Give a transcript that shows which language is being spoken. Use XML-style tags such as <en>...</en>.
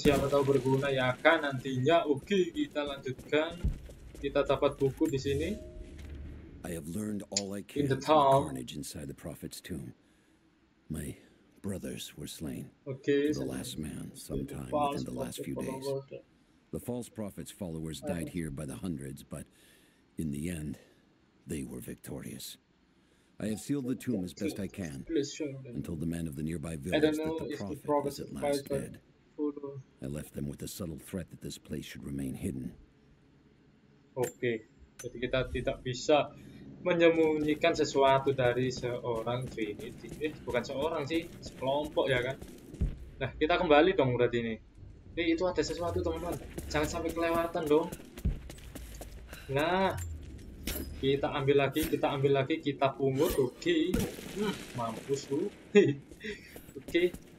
<id>Siapa tahu berguna ya kan nantinya. Oke, kita lanjutkan. Kita dapat buku di sini.</id> <en>I have learned all I can from the carnage inside the prophet's tomb. My brothers were slain. Okay, the last man, sometime within the last few days. The false prophet's followers died here by the hundreds, but in the end, they were victorious. I have sealed the tomb as best I can and told the men of the nearby village that the prophet was at last dead. I left them with a subtle threat that this place should remain hidden.</en> <id>Okay, jadi kita tidak bisa menyembunyikan sesuatu dari seorang Trinity. Bukan seorang sih, sekelompok ya kan. Nah, kita kembali dong berarti ini. Itu ada sesuatu, teman-teman. Jangan sampai kelewatan dong. Nah, kita ambil lagi, kita ambil lagi, kita pungut. Oke. Mampus lu. Oke.</id>